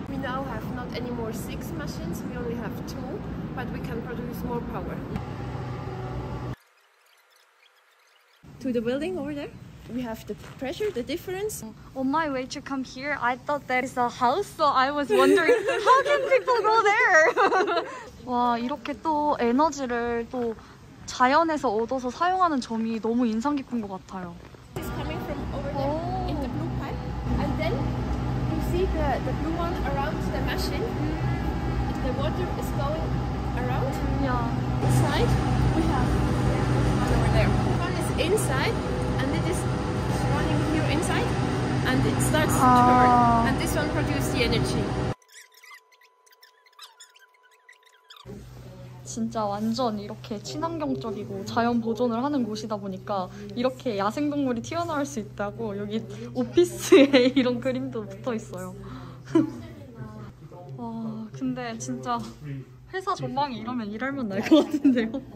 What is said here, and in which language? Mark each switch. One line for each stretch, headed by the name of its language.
English: We now have not any more 6 machines, we only have 2, but we can produce more power. To the building over there, we have the pressure, the difference. On my way to come here, I thought there is a house, so I was wondering how can people go there?
Korean: 와 이렇게 또 에너지를 또 자연에서 얻어서 사용하는 점이 너무 인상 깊은 것 같아요.
English: It's coming from over there in the blue pipe, and then you see the blue one around the machine. The water is going around. Yeah. Inside we have one over there. One is inside, and it is running here inside, and it starts to turn, and this one produces the energy.
Korean: 진짜 완전 이렇게 친환경적이고 자연 보존을 하는 곳이다 보니까 이렇게 야생동물이 튀어나올 수 있다고 여기 오피스에 이런 그림도 붙어있어요. 와 근데 진짜 회사 전망이 이러면 일할만 날 것 같은데요?